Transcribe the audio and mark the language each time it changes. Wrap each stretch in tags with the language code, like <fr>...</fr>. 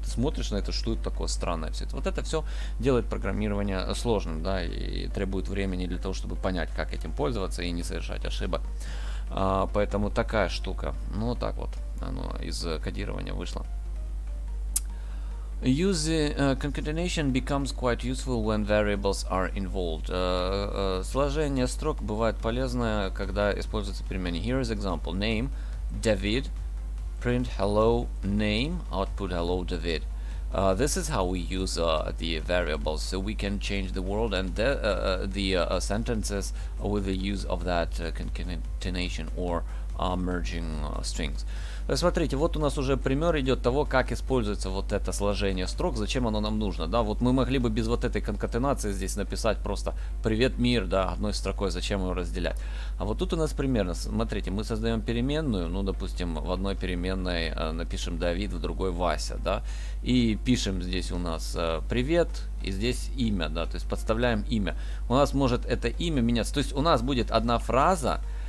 <ru>Ты смотришь на это, что это такое странное все это. Вот это все делает программирование сложным, да, и требует времени для того, чтобы понять, как этим пользоваться и не совершать ошибок. Поэтому такая штука. Ну, вот так вот оно из кодирования вышло.</ru> <en>Concatenation becomes quite useful when variables are involved.</en> <ru>Сложение строк бывает полезное, когда используется переменная.</ru> <en>Here is example. Name David. Print hello name. Output hello David. This is how we use the variables. So we can change the world and the sentences with the use of that concatenation or merging strings.</en> <ru>Смотрите, вот у нас уже пример идет того, как используется вот это сложение строк, зачем оно нам нужно, да, вот мы могли бы без вот этой конкатенации здесь написать просто «Привет, мир», да, одной строкой, зачем ее разделять. А вот тут у нас пример, смотрите, мы создаем переменную, ну, допустим, в одной переменной напишем «Давид», в другой «Вася», да, и пишем здесь у нас «Привет», и здесь имя, да, то есть подставляем имя. У нас может это имя меняться, то есть у нас будет одна фраза,</ru>